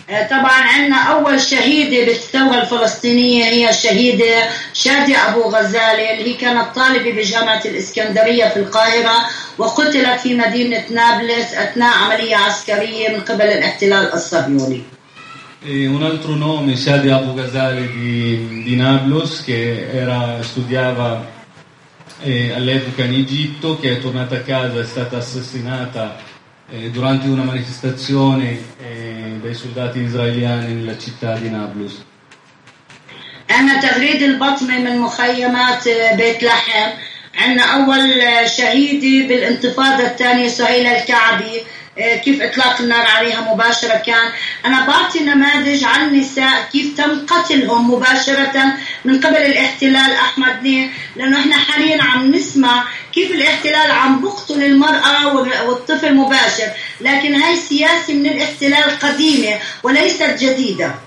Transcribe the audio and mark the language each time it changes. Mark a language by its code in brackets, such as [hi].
[ar] طبعا عندنا اول شهيده بالثوره الفلسطينيه هي الشهيده شادي ابو غزالي اللي هي كانت طالبه بجامعه الاسكندريه في القاهره وقتلت في مدينه نابلس اثناء عمليه عسكريه من قبل الاحتلال الصهيوني. [it] Un altro nome, Shadi Abu Ghazali di Nablus, che era studiava all'epoca in Egitto, che è tornata a casa, è stata assassinata durante una manifestazione dei soldati israeliani nella città di Nablus. [ar] عنا تغريد البطمة من مخيمات بيت لحم، عنا أول شهيدة بالانتفاضة الثانية سهيلة الكعبي كيف إطلاق النار عليها مباشرة كان. أنا بعطي نماذج عن النساء كيف تم قتلهم مباشرة من قبل الاحتلال أحمد نير، لأنه إحنا حاليا عم نسمع كيف الاحتلال عم بقتل المرأة والطفل مباشر، لكن هاي سياسة من الاحتلال قديمة وليست جديدة.